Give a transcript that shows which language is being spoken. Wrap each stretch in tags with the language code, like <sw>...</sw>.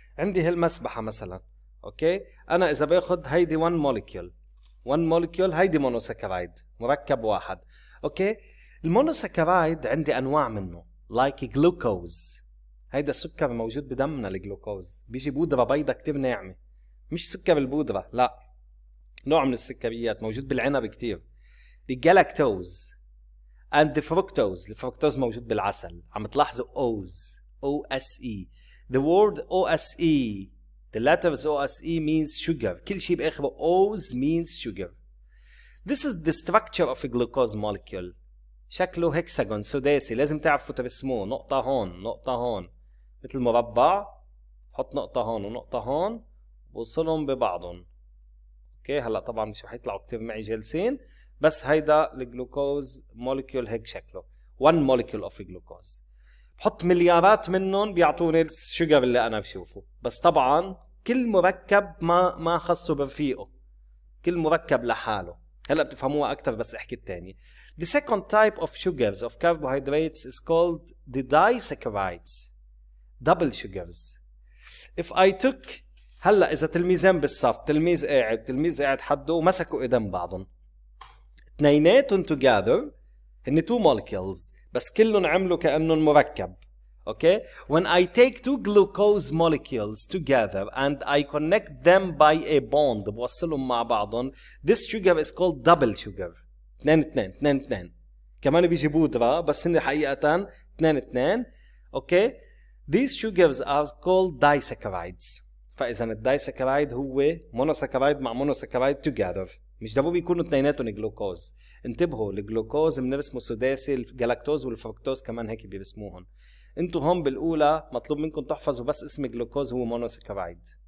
<ar>عندي هالمسبحة مثلا، اوكي، انا اذا باخد هيدي</ar> <en>one molecule، one molecule</en> <ar>هيدي مونوسكرايد، مركب واحد. اوكي، المونوسكرايد عندي انواع منه</ar> <en>like glucose،</en> <ar>هيدا السكر موجود بدمنا الجلوكوز، بيجي بودرة بيضة كتير ناعمة، مش سكر البودرة، لا، نوع من السكريات موجود بالعنب كتير.</ar> <en>the galactose and the fructose،</en> <ar>الفركتوز موجود بالعسل، عم تلاحظوا O's O-S-E.</ar> <en>The word O-S-E, the letters O-S-E means sugar.</en> <ar>كل شيء بآخره O's</ar> <en>means sugar. This is the structure of a glucose molecule.</en> <ar>شكله هكساجون سداسي، لازم تعرفوا ترسموه. نقطة هون، نقطة هون، مثل مربع، حط نقطة هون ونقطة هون، وصلهم ببعضهم. اوكي، هلا طبعا مش رح يطلعوا كتير معي جالسين، بس هيدا الجلوكوز مولكيول هيك شكله.</ar> <en>One molecule of glucose.</en> <ar>بحط مليارات منهم بيعطوني الشجر اللي انا بشوفه، بس طبعا كل مركب ما خصه برفيقه، كل مركب لحاله. هلا بتفهموها اكثر بس احكي الثاني.</ar> <en>The second type of sugars of carbohydrates is called the disaccharides, double sugars. If I took</en> <ar>هلا اذا تلميذان بالصف، تلميذ قاعد حده ومسكوا ايدين بعضهم، اثنيناتهم</ar> <en>together</en> <ar>هن</ar> <en>two molecules،</en> <ar>بس كلهم عملوا كانهم مركب.</ar> <en>okay, when I take two glucose molecules together and I connect them by a bond،</en> <ar>بوصلهم مع بعضهم،</ar> <en>this sugar is called double sugar.</en> <ar>اثنين اثنين اثنين اثنين، كمان بيجي بودرة بس هن حقيقة اثنين اثنين.</ar> <en>Okay, these sugars are called disaccharides.</en> <ar>فإذا الدايساكرايد هو مونوساكرايد مع مونوساكرايد</ar> <en>together،</en> <ar>مش ضروري يكونوا اثنيناتهم جلوكوز. انتبهوا، الجلوكوز بنرسمه سداسي، الجلاكتوز والفركتوز كمان هيك بيرسموهم. انتو هون بالأولى مطلوب منكم تحفظوا بس اسم جلوكوز هو مونوساكرايد.</ar>